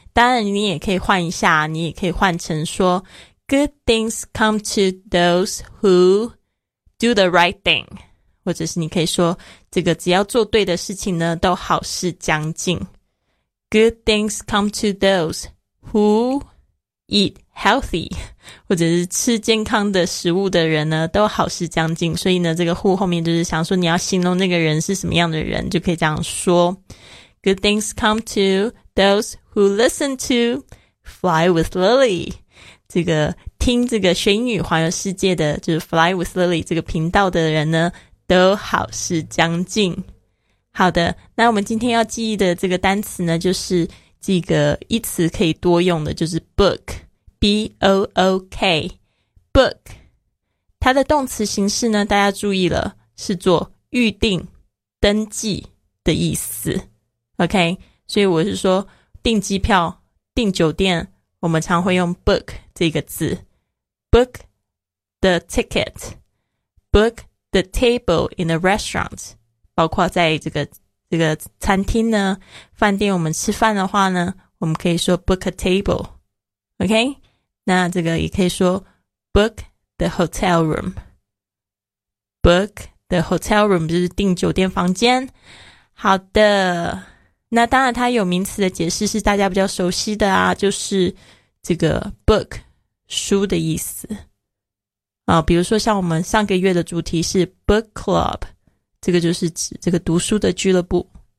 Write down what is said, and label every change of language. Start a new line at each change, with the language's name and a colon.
Chinese: 当然你也可以换一下，你也可以换成说
English: Good things come to those who do the right thing，
Chinese: 或者是你可以说这个只要做对的事情呢都好事将近。
English: Good things come to those who eat healthy，
Chinese: 或者是吃健康的食物的人呢都好事将近。所以呢这个 who 后面就是想说你要形容那个人是什么样的人，就可以这样说。
English: Good things come to those who listen to Fly with Lily。
Chinese: 这个听这个学英语环游世界的就是 Fly with Lily 这个频道的人呢都好事将近。好的，那我们今天要记忆的这个单词呢就是这个一词可以多用的，就是 book， B-O-O-K， book。它的动词形式呢大家注意了，是做预定、登记的意思。 OK， 所以我是说订机票、订酒店，我们常会用 book 这个字。
English: book the ticket， book the table in a restaurant，
Chinese: 包括在这个餐厅呢饭店我们吃饭的话呢我们可以说
English: book a table。
Chinese: OK， 那这个也可以说
English: book the hotel room，
Chinese: book the hotel room 就是订酒店房间。好的，那当然它有名词的解释是大家比较熟悉的啊，就是这个 book 书的意思啊。比如说像我们上个月的主题是 book club， 这个就是指这个读书的俱乐部。